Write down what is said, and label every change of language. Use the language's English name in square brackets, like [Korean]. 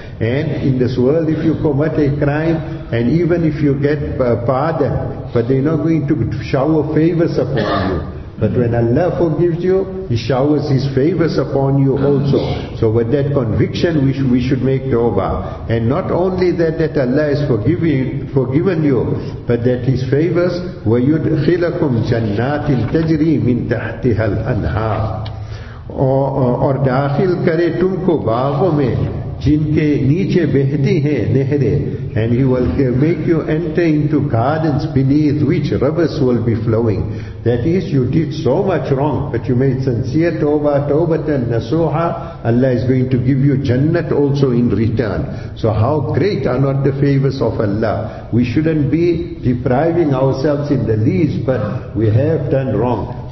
[English] And in this world, if you commit a crime, and even if you get pardon, but they're not going to shower favors upon you. But when Allah forgives you, He showers His favors upon you also. So with that conviction, we should make tawbah. And not only that Allah has forgiven you, but that His favors, [Arabic] وَيُدْخِلَكُمْ جَنَّاتٍ تَجْرِي مِنْ تَحْتِهَا الْأَنْهَارِ [Urdu] اور داخل کرے تم کو باغوں میں جن کے نیچے بہتی ہیں نہریں. [English] And He will make you enter into gardens beneath which rivers will be flowing. That is, you did so much wrong, but you made sincere tawbah and nasuha. Allah is going to give you jannat also in return. So how great are not the favors of Allah? We shouldn't be depriving ourselves in the least, but we have done wrong.